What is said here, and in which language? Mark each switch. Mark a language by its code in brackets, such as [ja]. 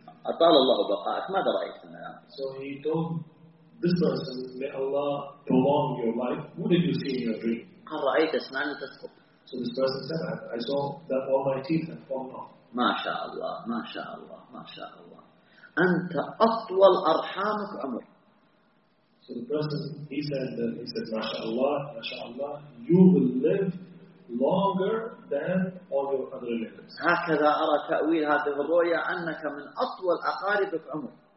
[ar] أطال الله بقاءك ماذا رأيت في المنام؟ [en] So he told this person, may Allah prolong your life. What did you see in your dream? [ar] قال رأيت أسنان تسقط. [en] So this person said, I saw that all my teeth had fallen off. [ar] ما شاء الله ما شاء الله ما شاء الله. أنت أطول أرحامك عمر. [en] So the person he said, MashaAllah, you will live longer than all your other relatives. [ar] هكذا أرى تأويل هذه الرؤيا أنك من أطول أقارب في عمر.